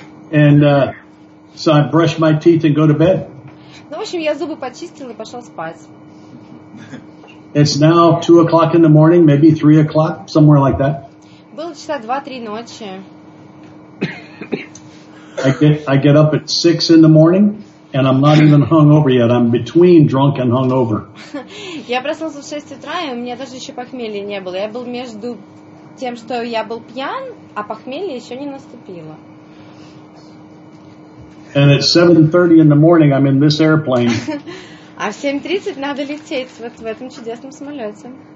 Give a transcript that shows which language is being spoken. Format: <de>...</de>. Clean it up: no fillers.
<en>And so I brush my teeth and go to bed.</en> <ru>Ну, в общем, я зубы почистил и пошел спать.</ru> <en>It's now 2 o'clock in the morning, maybe 3 o'clock, somewhere like that.</en> <ru>Было часа 2-3 ночи.</ru> <en>I get up at 6 in the morning, and I'm not even hungover yet. I'm between drunk and hungover.</en> <ru>Я проснулся в 6 утра, и у меня даже еще похмелья не было. Я был между тем, что я был пьян, а похмелье еще не наступило.</ru> <en>And at 7:30 in the morning, I'm in this airplane.</en> <ru>А в 7:30 надо лететь вот в этом чудесном самолете.</ru>